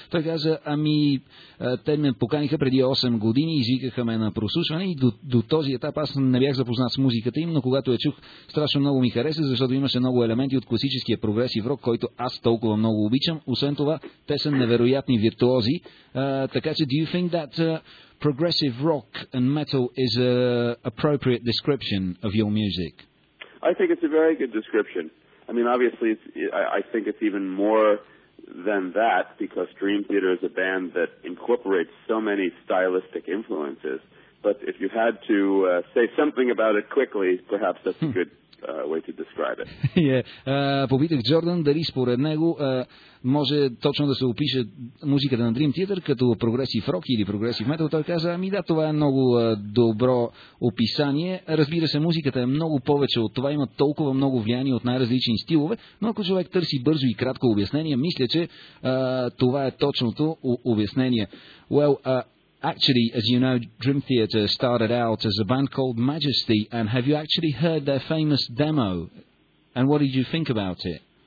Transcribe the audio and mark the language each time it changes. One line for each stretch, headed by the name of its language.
Bulgarian: Той каза, ами те ме поканиха преди 8 години, извикаха ме на прослушване и до този етап аз не бях запознат с музиката им, но когато я чух, страшно много ми хареса, защото имаше много елементи от класическия прогресив рок, който аз толкова много обичам. Освен това, те са невероятни виртуози. Така че,
English: do you think that progressive rock and metal is an appropriate description of your music? I think it's a very good description. I mean, obviously, I think it's even more than that because Dream Theater is a band that incorporates so many stylistic influences. But if you had to say something about it quickly, perhaps that's a good way to describe it. Yeah.
Bulgarian: Попитах Джордан дали според него може точно да се опише музиката на Dream Theater като прогресив рок или прогресив метал. Той каза, ами да, това е много добро описание. Разбира се, музиката е много повече от това, има толкова много влияние от най-различни стилове, но ако човек търси бързо и кратко обяснение, мисля, че това е точното обяснение.
English: Well, actually, as you know, Dream Theater started out as a band called Majesty, and have you actually heard their famous demo? And what did you think about it?